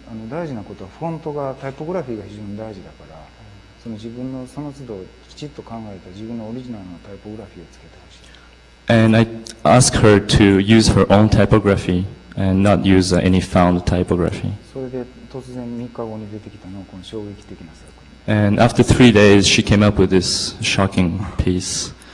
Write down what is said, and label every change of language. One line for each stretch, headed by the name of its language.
Japanese: 大事なことはフォントがタイポグラフィーが非常に大事だから、その自分のその都度きちっと考えた自分のオリジナルのタイポグラフィーをつけてほしい。
English: And I asked her to use her own typography and not use any found typography.
Japanese: それで突然3日後に出てきたのはこの衝撃的な作品。
English: And after 3 days, she came up with this shocking piece.